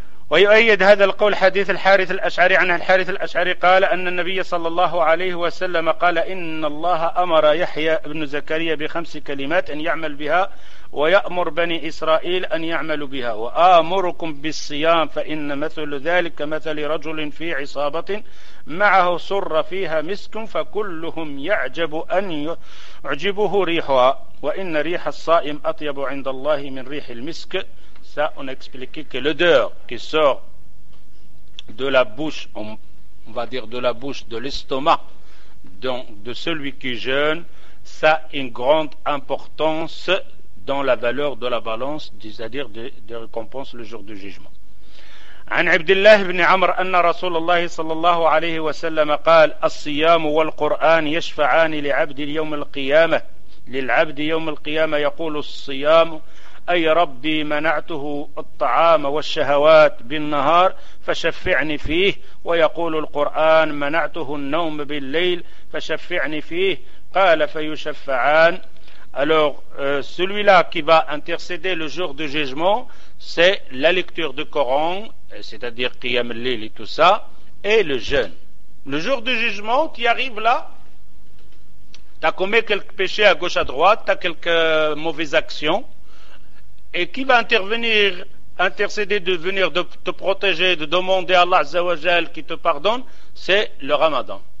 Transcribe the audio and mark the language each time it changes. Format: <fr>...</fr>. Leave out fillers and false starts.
<ar>ويؤيد هذا القول حديث الحارث الأشعري عن الحارث الأشعري قال أن النبي صلى الله عليه وسلم قال إن الله أمر يحيى بن زكريا بخمس كلمات أن يعمل بها ويأمر بني إسرائيل أن يعملوا بها وآمركم بالصيام فإن مثل ذلك مثل رجل في عصابة معه سر فيها مسك فكلهم يعجب أن يعجبه ريحها وإن ريح الصائم أطيب عند الله من ريح المسك.</ar> <fr>Ça, on a expliqué que l'odeur qui sort de la bouche, on va dire de la bouche, de l'estomac, donc de celui qui jeûne, ça a une grande importance dans la valeur de la balance, c'est-à-dire de récompense le jour du jugement.</fr> <ar>عن عبد الله بن عمر أن رسول الله صلى الله عليه وسلم قال الصيام والقرآن يشفعان لعبد يوم القيامة للعبد يوم القيامة يقول الصيام أي ربي منعته الطعام والشهوات بالنهار فشفعني فيه، ويقول القرآن منعته النوم بالليل فشفعني فيه، قال فيشفعان.</ar> <fr>Alors, celui-là qui va intercéder le jour du jugement, c'est la lecture du Coran, c'est-à-dire Qiyam al-Layl et tout ça, et le jeûne. Le jour du jugement, tu arrives là, tu as commis quelques péchés à gauche, à droite, tu as quelques mauvaises actions, et qui va intervenir, intercéder de venir de te protéger, de demander à Allah Azzawajal qui te pardonne, c'est le Ramadan.</fr>